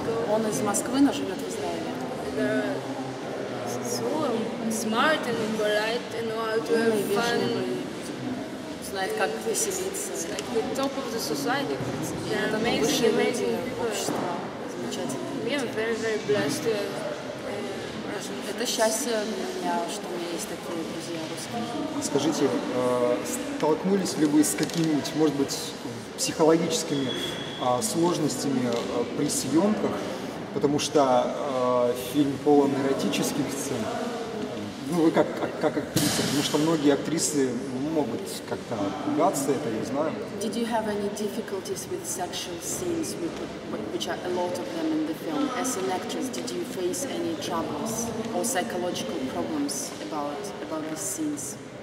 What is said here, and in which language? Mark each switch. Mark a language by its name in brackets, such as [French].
[Russian] Он из Москвы, но живет в Израиле. [English] Smart and polite and know how to have fun. It's like [Russian] как веселиться. [English] It's like the top of the society. They're amazing people. We are very, very blessed to have Russian. [Russian] Это счастье для меня, что у меня есть такие друзья русские. Скажите, столкнулись ли вы с какими-нибудь, может быть, психологическими сложностями при съемках? потому что фильм полон эротических сцен. Ну, вы как актриса, потому что многие актрисы могут как-то пугаться этого, я знаю. [English] Did you have any difficulties with sexual scenes, which are a lot of them in the film? As an actress, did you face any troubles or psychological problems about these scenes?